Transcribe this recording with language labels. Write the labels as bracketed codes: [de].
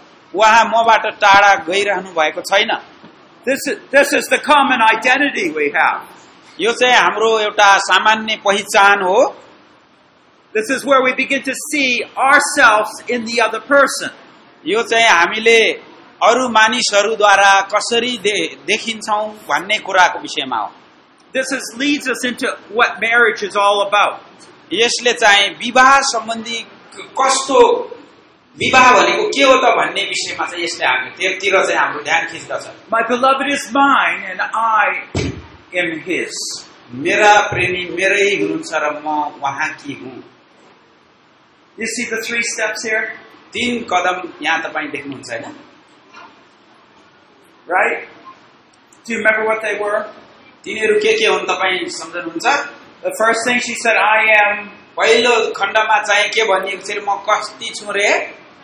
[ne] उहाँ मबाट टाढा गइरहनु भएको छैन. [en] This is the common identity we have. [ne] यो चाहिँ हाम्रो एउटा सामान्य पहिचान हो. [en] This is where we begin to see ourselves in the other person. [ne] यो चाहिँ हामीले अरू मानिसहरूद्वारा कसरी देखिन्छौ भन्ने कुराको विषयमा हो. [en] This is leads us into what marriage is all about. [ne] यसले चाहिँ विवाह सम्बन्धी कस्तो विवाह भनेको के हो त भन्ने विषयमा चाहिँ यसले हामी त्यतिर चाहिँ हाम्रो ध्यान खिच्दछ. [en] My beloved is mine and I am his. [ne] मेरा प्रेमी मेरै हुनुहुन्छ र म उहाँकी हुँ. [en] You see the three steps here? [ne] तीन कदम यहाँ तपाईँ देख्नुहुन्छ होइन? [en] Right? Do you remember what they were? [ne] तिनीहरू के हुन् तपाईँ सम्झनुहुन्छ? [en] The first thing she said, I am. [ne] पहिलो खण्डमा चाहिँ के भन्ने म कस्तो छु रे.